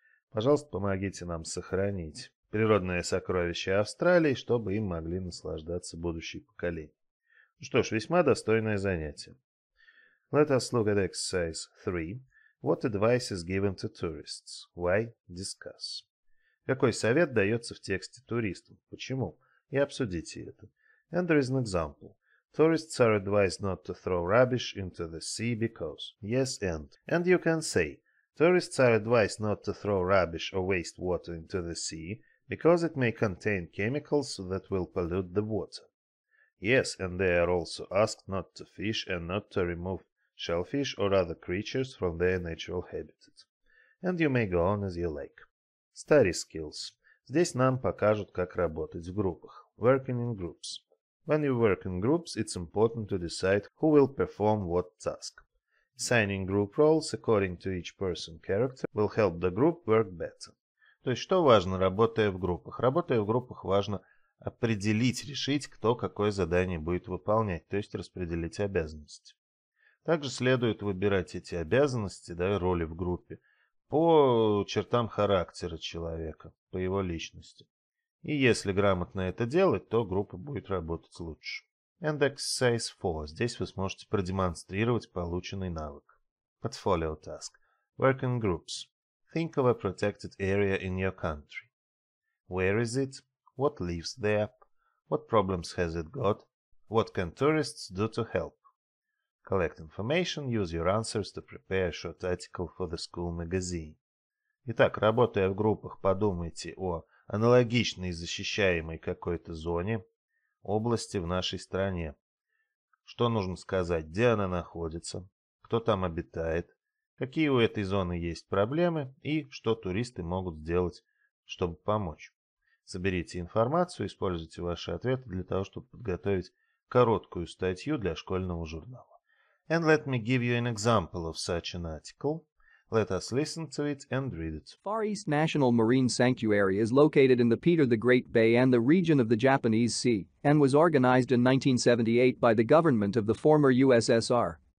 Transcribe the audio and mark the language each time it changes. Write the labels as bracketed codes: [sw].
[ru] Пожалуйста, помогите нам сохранить природные сокровища Австралии, чтобы им могли наслаждаться будущие поколения. Ну что ж, весьма достойное занятие. [en] Let us look at exercise 3. What advice is given to tourists? Why? Discuss. [ru] Какой совет дается в тексте туристам? Почему? И обсудите это. [en] And there is an example. Tourists are advised not to throw rubbish into the sea because... Yes, and... And you can say... Tourists are advised not to throw rubbish or waste water into the sea because it may contain chemicals that will pollute the water. Yes, and they are also asked not to fish and not to remove shellfish or other creatures from their natural habitat. And you may go on as you like. Study skills. [ru] Здесь нам покажут, как работать в группах. [en] Working in groups. When you work in groups, it's important to decide who will perform what task. Assigning group roles according to each person's character will help the group work better. [ru] То есть, что важно, работая в группах? Работая в группах, важно определить, решить, кто какое задание будет выполнять, то есть распределить обязанности. Также следует выбирать эти обязанности, да, роли в группе, по чертам характера человека, по его личности. И если грамотно это делать, то группа будет работать лучше. [en] And exercise 4. [ru] Здесь вы сможете продемонстрировать полученный навык. [en] Portfolio task. Work in groups. Think of a protected area in your country. Where is it? What lives there? What problems has it got? What can tourists do to help? Collect information. Use your answers to prepare a short article for the school magazine. [ru] Итак, работая в группах, подумайте о аналогичной защищаемой какой-то зоне, области в нашей стране. Что нужно сказать, где она находится, кто там обитает, какие у этой зоны есть проблемы и что туристы могут сделать, чтобы помочь. Соберите информацию, используйте ваши ответы для того, чтобы подготовить короткую статью для школьного журнала. [en] And let me give you an example of such an article. Let us listen to it and read it. Far East National Marine Sanctuary is located in the Peter the Great Bay and the region of the Japanese Sea, and was organized in 1978 by the government of the former USSR.